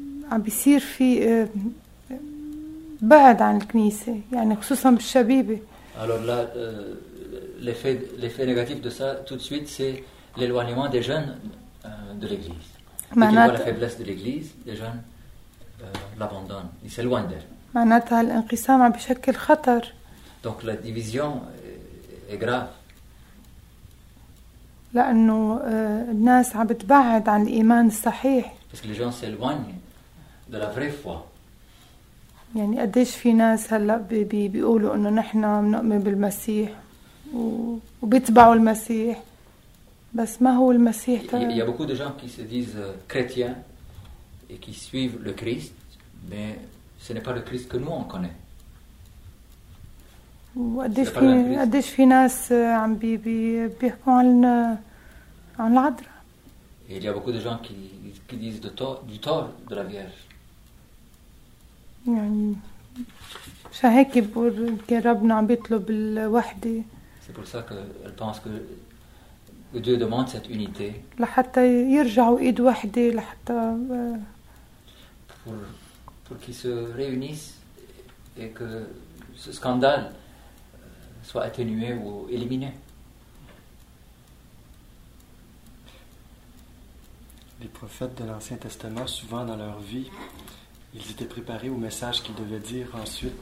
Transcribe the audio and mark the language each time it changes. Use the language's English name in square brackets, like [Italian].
[Arabic] عم بيصير في بعد عن الكنيسة يعني خصوصا بالشبيبة. [French] Alors là, l'effet négatif de ça tout de suite, c'est l'éloignement des jeunes de l'Église. Quand la faiblesse de l'Église, les jeunes l'abandonnent, ils s'éloignent d'elle. [Arabic] معناتها الانقسام عم بشكل خطر. [French] Donc la division est grave. [Arabic] لأنه الناس عم بتبعد عن الإيمان الصحيح. [French] Parce que les gens s'éloignent de la vraie foi. [Arabic] يعني قديش في ناس هلا بيقولوا إنه نحنا منؤمن بالمسيح وبيتبعوا المسيح بس ما هو المسيح ترى. [French] Il y a beaucoup de gens qui se disent chrétiens et qui suivent le Christ, mais ce n'est pas le Christ que nous on connaît. [Arabic] وقديش في ناس عم بيحكوا عن العذراء. [French] Il y a beaucoup de gens qui disent du tort de la Vierge. [Arabic] يعني عشان هيك بقول كان ربنا عم بيطلب الوحدة. [French] C'est pour ça qu'elle pense que Dieu demande cette unité. [Arabic] لحتى يرجعوا إيد واحدة لحتى. [French] Pour qu'ils se réunissent et que ce scandale soit atténué ou éliminé. Les prophètes de l'Ancien Testament, souvent dans leur vie, ils étaient préparés au message qu'ils devaient dire ensuite.